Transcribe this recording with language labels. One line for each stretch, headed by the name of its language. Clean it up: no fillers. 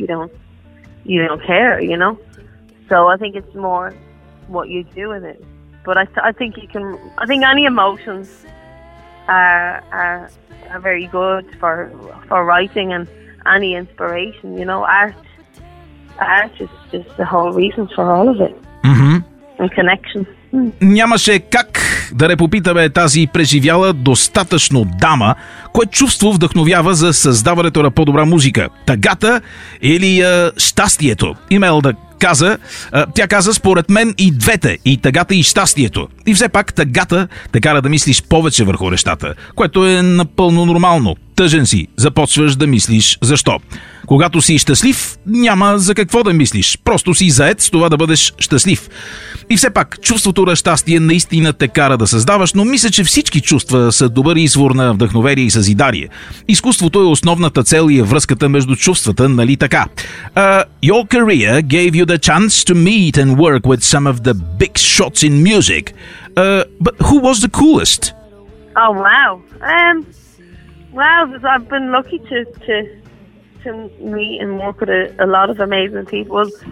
English: You don't care. You know. So I think it's more what you do with it, but I think any emotions are very good for writing and any inspiration. You know, art is just the whole reason for all of it. Mm-hmm. And connection.
Bulgarian: Нямаше как да не попитаме тази преживяла достатъчно дама, кое чувство вдъхновява за създаването на по-добра музика? Тъгата или щастието? Имелда каза, тя каза според мен и двете, и тъгата и щастието. И все пак тъгата те кара да мислиш повече върху нещата, което е напълно нормално. тъжен си, започваш да мислиш защо. Когато си щастлив, няма за какво да мислиш. Просто си заед с това да бъдеш щастлив. И все пак, чувството на щастие наистина те кара да създаваш, но мисля, че всички чувства са добър извор на вдъхновение и съзидание. Изкуството е основната цел и е връзката между чувствата, нали така?
English: Your career gave you the chance to meet and work with some of the big shots in music. But who was the coolest? Oh, wow. Well, I've been lucky to meet and work with a lot of amazing people.